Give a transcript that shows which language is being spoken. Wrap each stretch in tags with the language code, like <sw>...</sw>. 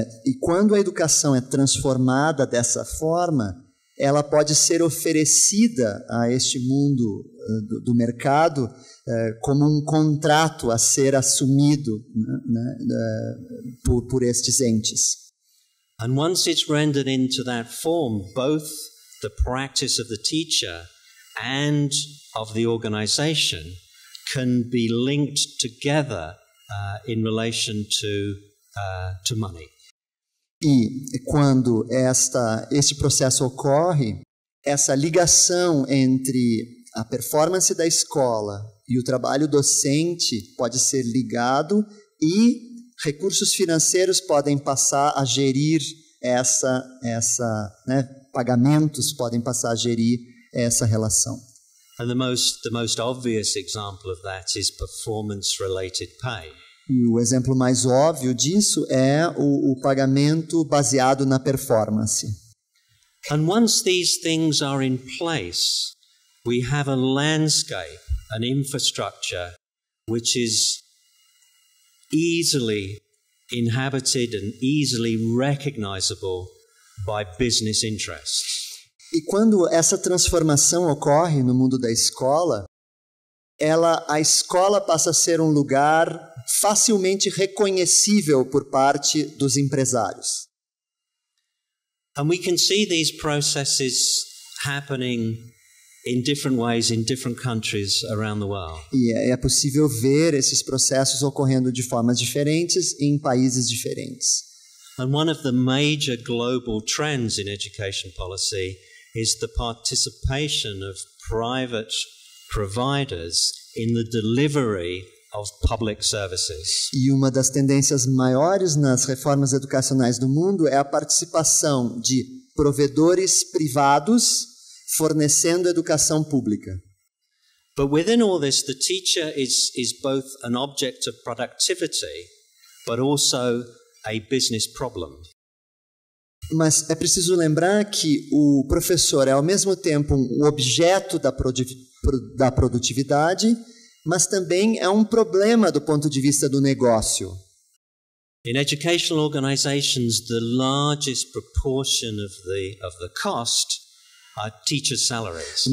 <pt>E quando a educação é transformada dessa forma, ela pode ser oferecida a este mundo do mercado como um contrato a ser assumido, né, por estes entes.</pt> <en>And once it's rendered into that form, both the practice of the teacher and of the organization can be linked together in relation to money.</en> <pt>E quando esse processo ocorre, essa ligação entre a performance da escola e o trabalho docente pode ser ligado e recursos financeiros podem passar a gerir essa, né, pagamentos podem passar a gerir essa relação.</pt> <en>And the most obvious example of that is performance-related pay.</en> <pt>E o exemplo mais óbvio disso é o pagamento baseado na performance.</pt> <en>And once these things are in place, we have a landscape, an infrastructure, which is easily inhabited and easily recognizable by business interests.</en> <pt>E quando essa transformação ocorre no mundo da escola, a escola passa a ser um lugar facilmente reconhecível por parte dos empresários.</pt> <en>And we can see these processes happening in different ways in different countries around the world.</en> <pt>E é possível ver esses processos ocorrendo de formas diferentes em países diferentes.</pt> <en>And one of the major global trends in education policy is the participation of private providers in the delivery of public services.</en> <pt>E uma das tendências maiores nas reformas educacionais do mundo é a participação de provedores privados fornecendo educação pública.</pt> <en>But within all this, the teacher is both an object of productivity, but also a business problem.</en> <pt>Mas é preciso lembrar que o professor é ao mesmo tempo um objeto da produtividade, mas também é um problema do ponto de vista do negócio.</pt> <en>In educational organizations, the largest proportion of the cost are teacher salaries.</en>